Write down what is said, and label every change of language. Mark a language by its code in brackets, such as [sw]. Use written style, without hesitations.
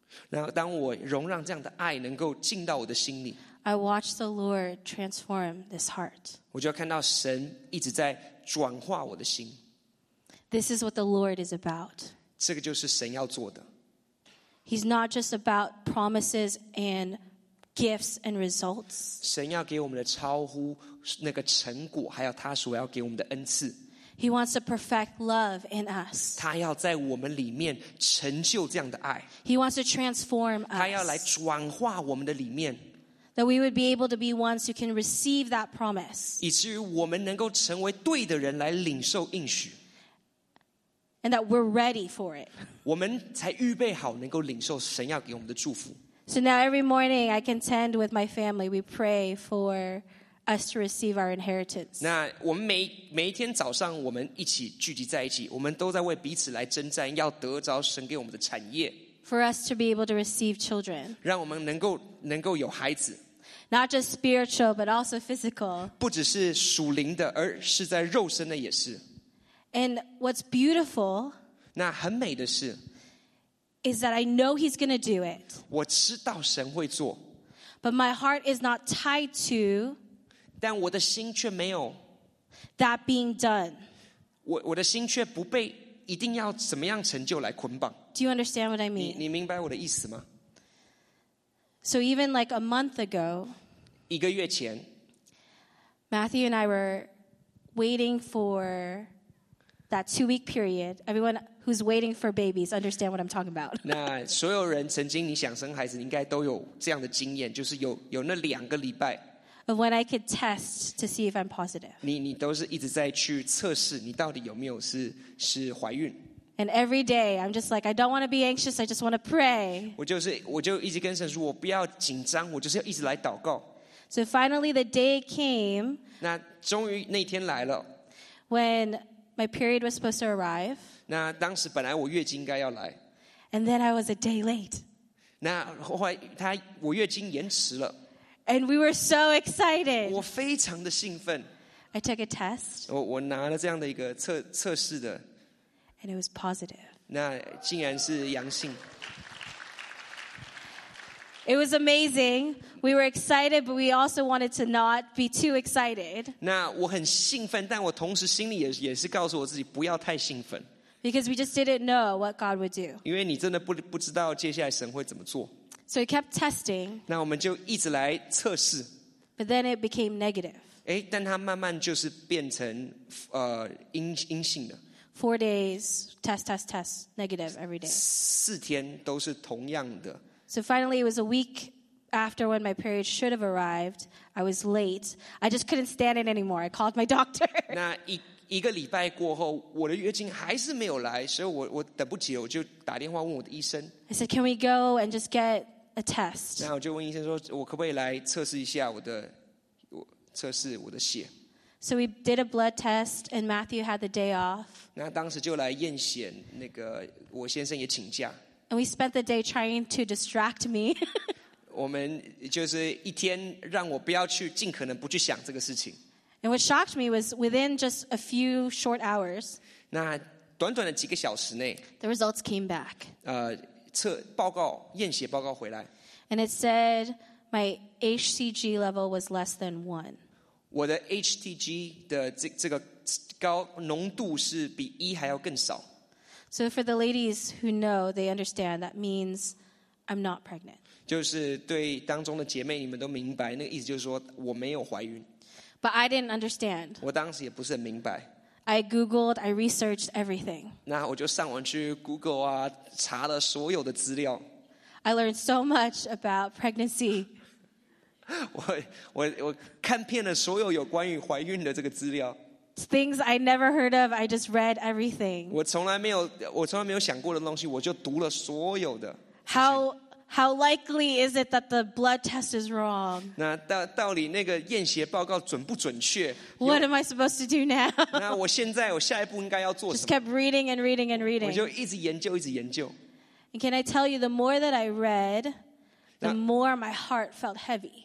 [zh] 然后当我容让这样的爱能够进到我的心里， [en] I watched the Lord transform this heart. [zh] 我就看到神一直在转化我的心。 [en] This is what the Lord is about. [zh] 这个就是神要做的。 [en] He's not just about promises and gifts and results. [zh] 神要给我们的超乎那个成果，还有他所要给我们的恩赐。 [en] He wants to perfect love in us. [zh] 他要在我们里面成就这样的爱。 [en] He wants to transform us. [zh] 他要来转化我们的里面。 [en] That we would be able to be ones who can receive that promise. [zh] 以至于我们能够成为对的人来领受应许。 [en] And that we're ready for it. [zh] 我们才预备好能够领受神要给我们的祝福。 [en] So now every morning I contend with my family. We pray for us to receive our inheritance. [zh] 那我们每一天早上我们一起聚集在一起，我们都在为彼此来征战，要得着神给我们的产业。 [en] For us to be able to receive children. [zh] 让我们能够有孩子。 [en] Not just spiritual, but also physical. [zh] 不只是属灵的，而是在肉身的也是。 [en] And what's beautiful. [zh] 那很美的是。 [en] Is that I know he's going to do it. [zh] 我知道神会做。 [en] But my heart is not tied to. [zh] 但我的心却没有。 [en] That being done. [zh] 我的心却不被一定要怎么样成就来捆绑。 [en] Do you understand what I mean? [zh] 你明白我的意思吗？ [en] So even like a month ago. [zh] 一个月前。 [en] Matthew and I were waiting for that 2 week period. Everyone who's waiting for babies, understand what I'm talking about. [zh] 那所有人曾经你想生孩子，应该都有这样的经验，就是有那两个礼拜。 [en] Of when I could test to see if I'm positive. [zh] 你都是一直在去测试你到底有没有是怀孕。 [en] And every day, I'm just like, I don't want to be anxious. I just want to pray. [zh] 我就一直跟神说，我不要紧张，我就是要一直来祷告。 [en] So finally, the day came. [zh] 那终于那天来了。 [en] When my period was supposed to arrive. [zh] 那当时本来我月经应该要来。 [en] And then I was a day late. [zh] 那后来我月经延迟了。 [en] And we were so excited. [zh] 我非常的兴奋。 [en] I took a test. [zh] 我拿了这样的一个测试的。 [en] And it was positive. [zh] 那竟然是阳性。 [en] It was amazing. We were excited, but we also wanted to not be too excited. [zh] 那我很兴奋，但我同时心里也是告诉我自己不要太兴奋。 [en] Because we just didn't know what God would do. [zh] 因为你真的不知道接下来神会怎么做。 [en] So we kept testing. [zh] 那我们就一直来测试。 [en] But then it became negative. [zh] 诶，但它慢慢就是变成阴性的。 [en] 4 days, test, test, test, negative every day. [zh] 4天都是同样的。 [en] So finally, it was a week after when my period should have arrived. I was late. I just couldn't stand it anymore. I called my doctor. [zh] 那一个礼拜过后，我的月经还是没有来，所以我等不及，我就打电话问我的医生。 [en] I said, "Can we go and just get a test?" [zh] 那我就问医生说，我可不可以来测试一下测试我的血。 [en] So we did a blood test, and Matthew had the day off. [zh] 那当时就来验血，那个我先生也请假。 [en] And we spent the day trying to distract me. [zh] 我们就是一天让我不要去，尽可能不去想这个事情。 [en] And what shocked me was within just a few short hours. [zh] 那短短的几个小时内 [en] ，the results came back. [zh] 报告验血报告回来。 [en] And it said my HCG level was less than 1. [zh] 我的 HCG 的这个高浓度是比一还要更少。 [en] So for the ladies who know, they understand that means I'm not pregnant. [zh] 就是对当中的姐妹，你们都明白，那个意思就是说我没有怀孕。 [en] But I didn't understand. [zh] 我当时也不是很明白。 [en] I googled, I researched everything. [zh] 那我就上网去 Google 啊，查了所有的资料。 [en] I learned so much about pregnancy. [zh] 我看遍了所有有关于怀孕的这个资料。 [en] Things I never heard of, I just read everything. [zh] 我从来没有想过的东西，我就读了所有的。 [en] How likely is it that the blood test is wrong? [zh] 那到底那个验血报告准不准确？ [en] What am I supposed to do now? [zh] 那我现在我下一步应该要做什么？ [en] Just kept reading and reading and reading. [zh] 我就一直研究，一直研究。 [en] And can I tell you, the more that I read, the more my heart felt heavy.